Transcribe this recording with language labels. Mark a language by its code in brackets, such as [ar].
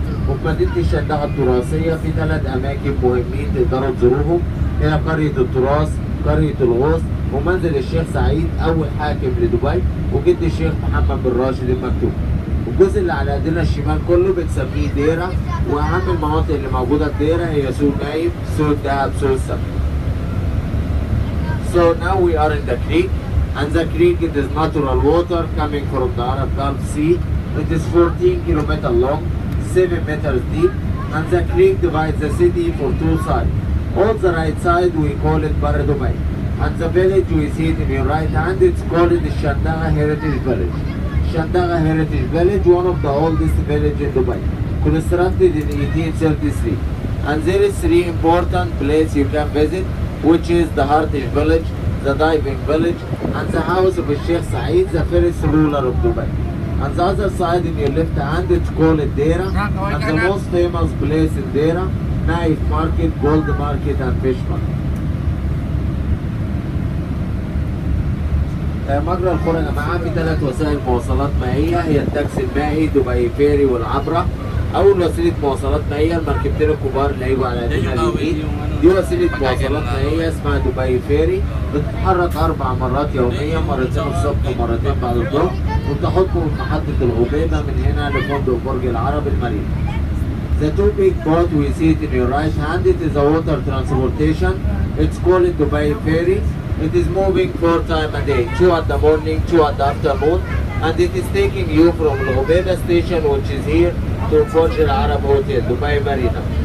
[ar] وفي مدينة الشندقة التراثية في ثلاث أماكن مهمين تقدروا تزوروهم, هي قرية التراث, قرية الغوص, ومنزل الشيخ سعيد أول حاكم لدبي وجد الشيخ محمد بن راشد المكتوم. الجزء اللي على إيدينا الشمال كله بنسميه ديرة, وأهم المناطق اللي موجودة في ديرة هي سوق نايم, سوق دهب, سوق السبت. [en] So now we are in the creek, and the creek is natural water coming from the Arab Gulf Sea. It is 14 kilometers long, 7 meters deep, and the creek divides the city for two sides. On the right side we call it Bar Dubai, and the village we see it in your right hand, it's called the Shandaga Heritage Village. Shandaga Heritage Village, one of the oldest villages in Dubai, constructed in 1833. And there is three important places you can visit, which is the Hartish village, the diving village, and the house of Sheikh Saeed, the first ruler of Dubai. On the other side in your left hand, it's called Deira, and the most famous place in Deira, Naif Market, Gold Market, and Fish Market. [ar] مجرى الخور يا جماعه في ثلاث وسائل مواصلات مائيه, هي التاكسي المائي, دبي فيري, والعبره. اول وسيله مواصلات مائيه المركبتين الكبار اللي هيبقوا على ايدينا اليمين, دي وسيلة مواصلات مائية اسمها دبي فيري, بتتحرك أربع مرات يوميا, مرتين الصبح ومرتين بعد الظهر, وبتاخدكم من محطة العبيدة من هنا لفندق برج العرب المارينا. [en] The two big boats we see it in your right hand, it is a water transportation. It's called Dubai Ferry. It is moving 4 times a day, 2 in the morning, 2 in the afternoon. And it is taking you from Lubaba Station, which is here, to Forj Al Arab Hotel, Dubai Marina.